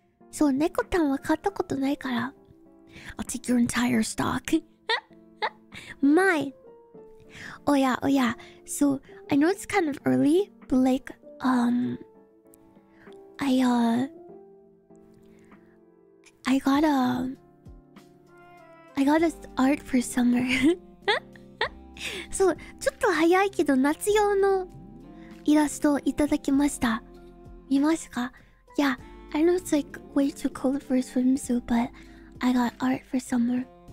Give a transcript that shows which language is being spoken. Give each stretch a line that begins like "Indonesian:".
English: So,
Japanese: 猫たんは買ったことないから
English: I'll take your entire stock. Mine! Oh yeah, oh yeah. So, I know it's kind of early, but like, I got a art for summer.
Japanese: So, ちょっと早いけど夏用のイラストをいただきました. 見ますか?
English: Yeah, I know it's like way too cold for a swimsuit, but I got art for summer.